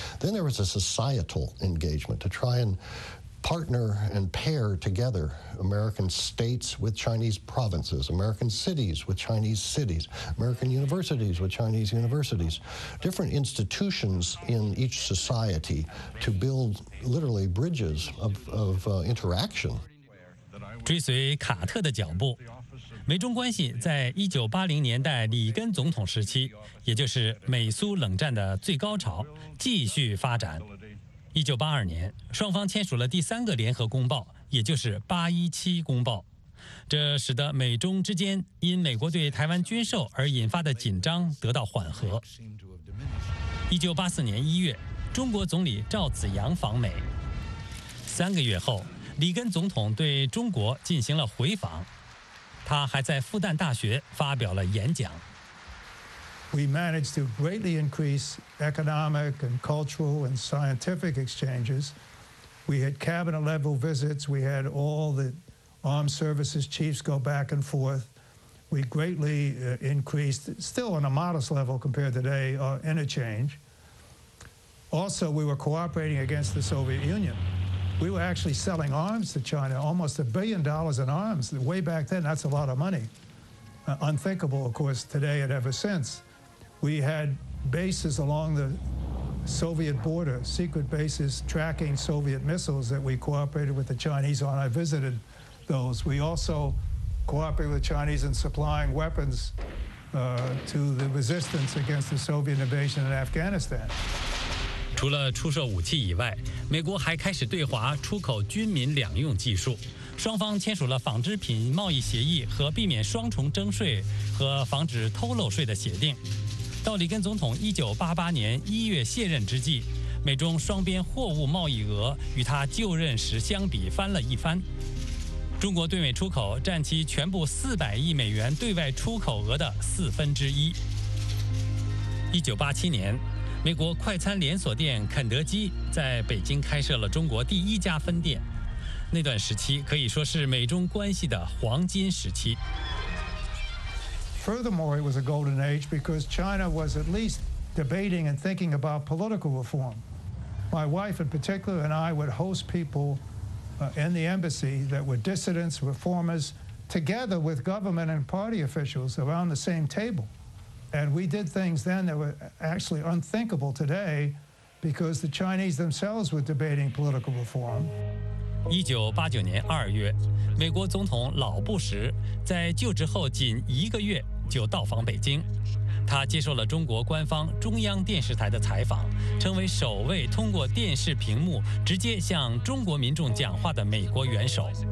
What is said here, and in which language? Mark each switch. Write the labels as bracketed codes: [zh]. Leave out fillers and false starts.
[en] Then there was a societal engagement to try and partner and pair together American states with Chinese provinces, American cities with Chinese cities, American universities with Chinese universities, different institutions in each society to build literally bridges of interaction. [zh] 追随卡特的脚步，美中关系在1980年代里根总统时期，也就是美苏冷战的最高潮，继续发展。 1982年，双方签署了第三个联合公报，也就是817公报，这使得美中之间因美国对台湾军售而引发的紧张得到缓和。 1984年1月，中国总理赵紫阳访美。三个月后，里根总统对中国进行了回访，他还在复旦大学发表了演讲。 [en] We managed to greatly increase economic and cultural and scientific exchanges. We had cabinet level visits. We had all the armed services chiefs go back and forth. We greatly increased, still on a modest level compared to today, our interchange. Also, we were cooperating against the Soviet Union. We were actually selling arms to China, almost $1 billion in arms. Way back then, that's a lot of money. Unthinkable, of course, today and ever since. We had bases along the Soviet border, secret bases tracking Soviet missiles that we cooperated with the Chinese on. I visited those. We also cooperated with Chinese in supplying weapons to the resistance against the Soviet invasion in Afghanistan. [zh] 除了出售武器以外，美国还开始对华出口军民两用技术。双方签署了纺织品贸易协议和避免双重征税和防止偷漏税的协定。到里根总统1988年1月卸任之际，美中双边货物贸易额与他就任时相比翻了一番。中国对美出口占其全部400亿美元对外出口额的四分之一。 1987年，美国快餐连锁店肯德基在北京开设了中国第一家分店，那段时期可以说是美中关系的黄金时期。 [en] Furthermore, it was a golden age because China was at least debating and thinking about political reform. My wife in particular and I would host people in the embassy that were dissidents, reformers, together with government and party officials around the same table. And we did things then that were actually unthinkable today because the Chinese themselves were debating political reform. [zh] 1989年2月，美国总统老布什在就职后仅一个月就到访北京，他接受了中国官方中央电视台的采访，成为首位通过电视屏幕直接向中国民众讲话的美国元首。